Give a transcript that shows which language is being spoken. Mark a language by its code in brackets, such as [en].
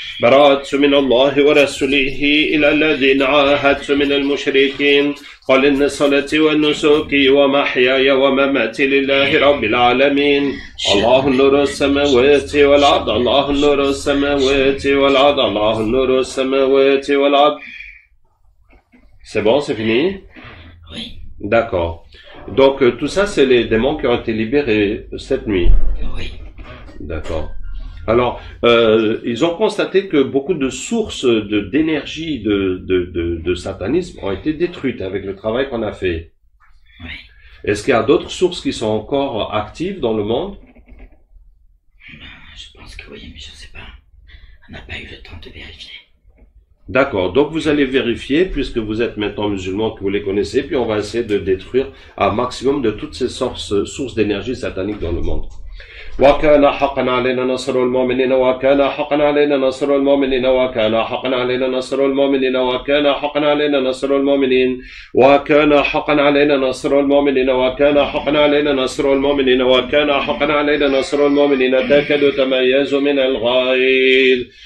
[ar] براءة من الله ورسوله إلى الذين عاهدت من المشركين. قل إن صلاتي ونسكي ومحياي ومماتي لله رب العالمين. الله نور السماوات والأرض، الله نور السماوات والأرض، الله نور السماوات والأرض. [fr] C'est bon, c'est fini? Oui. D'accord. Donc tout ça, c'est les démons qui ont été libérés cette nuit. Oui. D'accord. Alors, ils ont constaté que beaucoup de sources d'énergie de satanisme ont été détruites avec le travail qu'on a fait. Oui. Est-ce qu'il y a d'autres sources qui sont encore actives dans le monde? Je pense que oui, mais je ne sais pas. On n'a pas eu le temps de vérifier. D'accord, donc vous allez vérifier, puisque vous êtes maintenant musulman, que vous les connaissez, puis on va essayer de détruire un maximum de toutes ces sources d'énergie satanique dans le monde. [ar] وكان حقا علينا نصر المؤمنين وكان حقا علينا نصر المؤمنين وكان حقا علينا نصر المؤمنين وكان حقا علينا نصر المؤمنين وكان حقا علينا نصر المؤمنين وكان حقا علينا نصر المؤمنين وكان حقا علينا نصر المؤمنين تأكدوا تميزوا من الغيظ.